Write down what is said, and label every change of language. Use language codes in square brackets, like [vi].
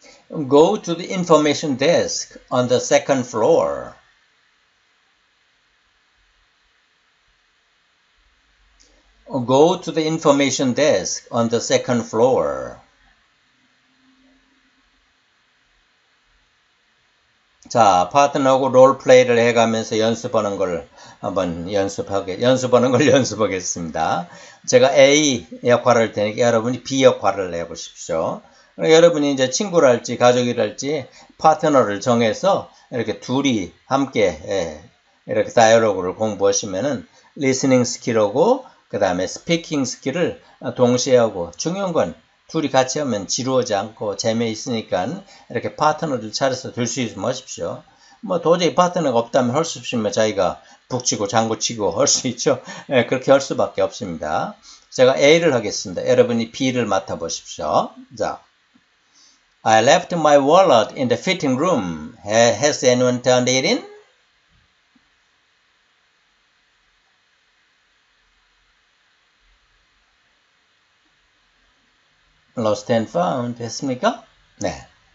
[en] 'Go to the information desk on the second floor. 'Go to the information desk on the second floor. [ko] 자, 파트너하고 롤플레이를 해가면서 연습하는 걸 연습하겠습니다. 제가 A 역할을 할 테니까 여러분이 B 역할을 해보십시오. 여러분이 이제 친구랄지 가족이랄지 파트너를 정해서 이렇게 둘이 함께 이렇게 다이어로그를 공부하시면은 리스닝 스킬하고 그 다음에 스피킹 스킬을 동시에 하고 중요한 건 둘이 같이 하면 지루하지 않고 재미있으니까 이렇게 파트너를 찾아서 둘수 있으면 하십시오. 뭐 도저히 파트너가 없다면 할수 없으면 자기가 북치고 장구치고 할수 있죠. 그렇게 할 수밖에 없습니다. 제가 A를 하겠습니다. 여러분이 B를 맡아보십시오. 자. [en] I left my wallet in the fitting room. Has anyone turned it in? Lost and found, [ko] 했습니까? 네.